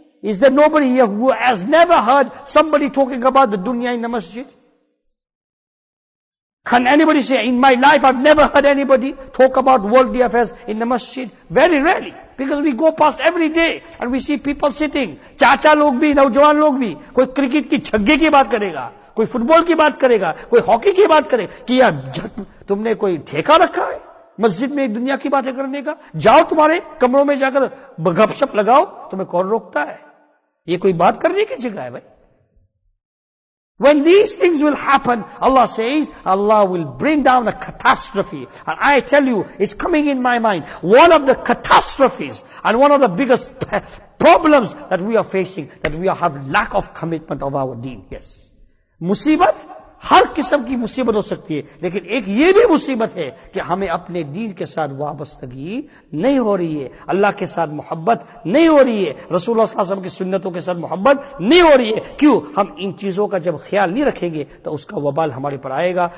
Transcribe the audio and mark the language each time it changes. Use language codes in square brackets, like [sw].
[en] Is there nobody here who has never heard somebody talking about the dunya in the masjid? Can anybody say, in my life I've never heard anybody talk about worldly affairs in the masjid? Very rarely. Because we go past every day and we see people sitting. [hi] Chacha log bhi, naujawan log bhi. Koi cricket ki chhagge ki baat karega. कोई football की बात करेगा, कोई hockey की बात करेगा कि यार तुमने कोई ठेका रखा है मस्जिद में दुनिया की बातें करने का? जाओ तुम्हारे कमरों में जाकर गपशप लगाओ, तुम्हें कौन रोकता है? ये कोई बात करने की जगह है भाई? [en] When these things will happen, Allah says, Allah will bring down a catastrophe. And I tell you, it's coming in my mind. One of the catastrophes and one of the biggest problems that we are facing, that we have lack of commitment of our deen. Yes. [hi] मुसीबत हर किस्म की मुसीबत हो सकती है, लेकिन एक ये भी मुसीबत है कि हमें अपने दीन के साथ वाबस्तगी नहीं हो रही है, अल्लाह के साथ मोहब्बत नहीं हो रही है, रसूलुल्लाह सल्लल्लाहु अलैहि वसल्लम की सुन्नतों के साथ मोहब्बत नहीं हो रही है। क्यों? हम इन चीजों का जब ख्याल नहीं रखेंगे तो उसका वबाल हमारे पर आएगा।